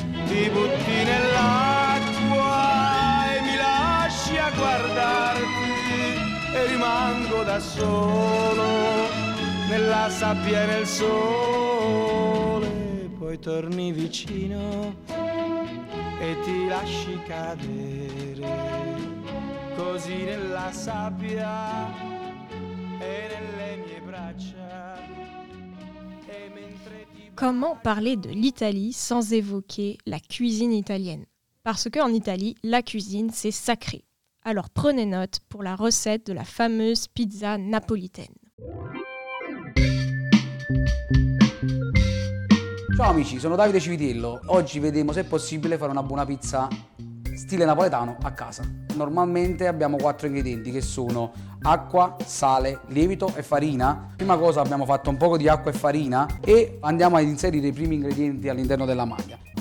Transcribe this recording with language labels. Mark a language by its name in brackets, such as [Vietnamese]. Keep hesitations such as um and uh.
[Italian] Ti butti nell'acqua e mi lasci a guardarti e rimango da solo nella sabbia e nel sole. Poi torni vicino e ti lasci cadere così nella sabbia e nelle mie braccia. E mentre ti [French] Comment parler de l'Italie sans évoquer la cuisine italienne Parce qu'en Italie, la cuisine, c'est sacré. Alors prenez note pour la recette de la fameuse pizza napolitaine. [Italian] Ciao amici, sono Davide Civitello. Oggi vedremo se è possibile fare una buona pizza stile napoletano a casa. Normalmente abbiamo quattro ingredienti che sono acqua, sale, lievito e farina. Prima cosa abbiamo fatto un poco di acqua e farina e andiamo ad inserire i primi ingredienti all'interno della maglia.